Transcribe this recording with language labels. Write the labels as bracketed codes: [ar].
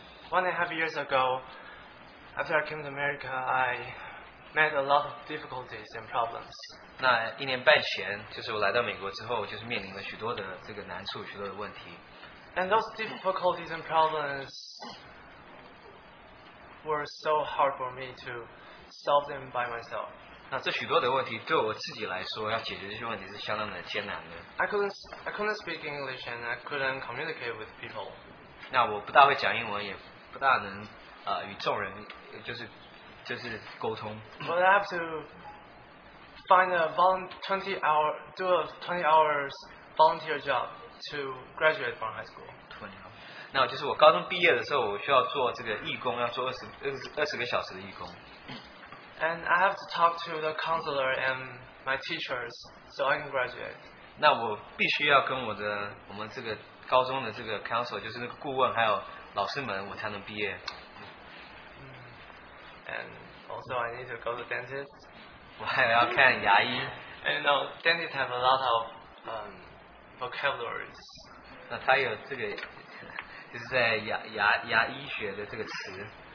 [en] One and a half years ago, after I came to America, I met a lot of difficulties and problems. [zh] 那一年半前，就是我来到美国之后，就是面临了许多的这个难处，许多的问题。 [en] And those difficulties and problems were so hard for me to solve them by myself. [zh] 那这许多的问题对我自己来说，要解决这些问题是相当的艰难的。 [en] I couldn't speak English and I couldn't communicate with people. [zh] 那我不大会讲英文，也不大能与众人就是沟通。 [en] But I have to find a twenty hours volunteer job to graduate from high school. [zh] 那就是我高中毕业的时候，我需要做这个义工，要做二十个小时的义工。 [en] And I have to talk to the counselor and my teachers so I can graduate. [zh] 那我必须要跟我们这个高中的这个 counselor， 就是那个顾问，还有老师们，我才能毕业。 [en] And also, I need to go to dentist. [zh] 我还要看牙医。 [en] And you know, dentists have a lot of vocabularies. [zh] 那他有这个。就是在牙医学的这个词。